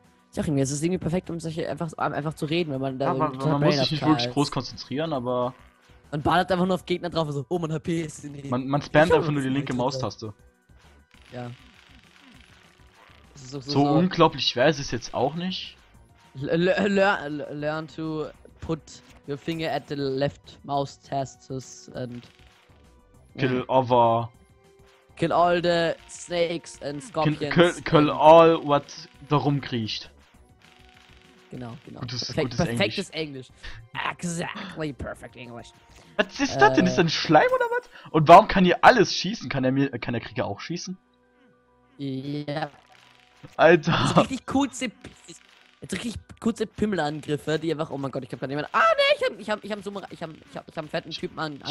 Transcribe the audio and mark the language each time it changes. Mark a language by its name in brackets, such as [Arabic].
[German] Sag ich mir, es ist irgendwie perfekt, um solche einfach zu reden, wenn man da. Ja, aber, total man muss sich nicht wirklich groß konzentrieren, aber. Man ballert einfach nur auf Gegner drauf und so, oh, mein HP ist in die. Man spammt einfach nur die linke Maustaste. Ja. So unglaublich schwer ist es jetzt auch nicht. [English] Learn to put your finger at the left mouse tasts and kill over. Kill all the snakes and scorpions. Kill all what [German] darum kriecht. Genau. Gutes Englisch. Perfektes Englisch. [English] Exactly perfect English. [German] Was ist das denn? Ist das ein Schleim oder was? Und warum kann hier alles schießen? Kann der Krieger auch schießen? Ja. Alter. Jetzt richtig kurze Pimmelangriffe, die einfach, oh mein Gott, ich hab grad jemanden. Ah, ne, ich hab einen fetten Typen angepimmelt.